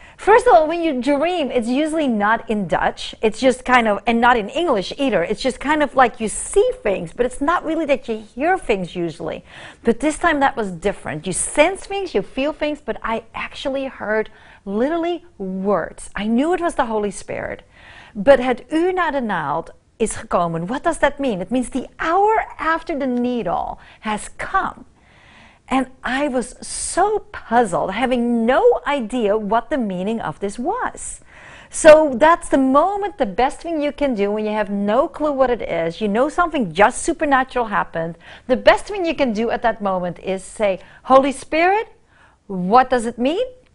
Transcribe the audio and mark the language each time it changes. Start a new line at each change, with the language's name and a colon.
English: First of all, when you dream, it's usually not in Dutch. It's just kind of, and not in English either. It's just kind of like you see things, but it's not really that you hear things usually. But this time that was different. You sense things, you feel things, but I actually heard literally words. I knew it was the Holy Spirit.
Dutch: But het uur na de naald is gekomen.
English: What does that mean? It means the hour after the needle has come. And I was so puzzled, having no idea what the meaning of this was. So that's the moment, the best thing you can do when you have no clue what it is, you know something just supernatural happened, the best thing you can do at that moment is say, Holy Spirit, what does it mean?